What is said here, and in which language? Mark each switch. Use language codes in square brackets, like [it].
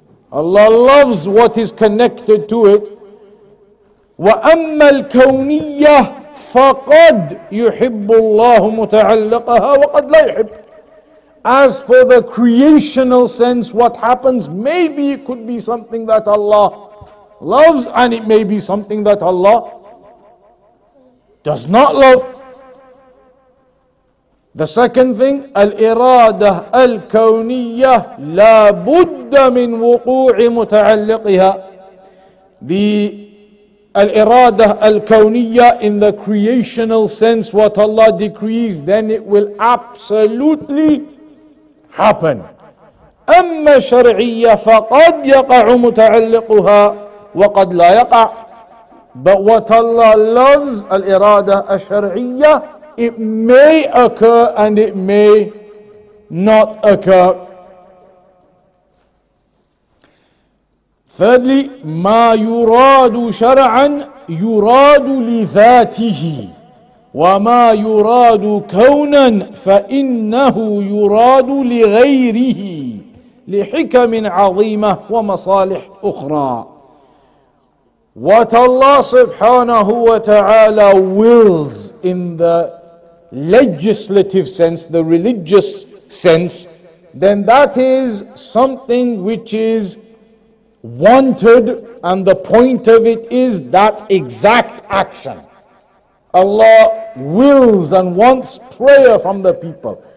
[en] Allah loves what is connected to it. [ar] وَأَمَّا الْكَوْنِيَّةِ فَقَدْ يُحِبُّ اللَّهُ مُتَعَلَّقَهَا وَقَدْ لَا يُحِبُّ. [en] As for the creational sense, what happens, maybe it could be something that Allah loves and it may be something that Allah does not love. The second thing, [ar] الإرادة الكونية لا بد من وقوع متعلقها. [en] The الإرادة الكونية, in the creational sense, what Allah decrees, then it will absolutely happen. [ar] أما شرعية فقد يقع متعلقها وقد لا يقع. [en] But what Allah loves, الإرادة الشرعية, it may occur and it may not occur. Thirdly, [ar] ما يراد شرعا يراد لذاته وما يراد كونا فإنه يراد لغيره لحكم عظيمة ومصالح أخرى. [en] What Allah subhanahu wa ta'ala wills in the legislative sense, the religious sense, then that is something which is wanted, and the point of it is that exact action. Allah wills and wants prayer from the people.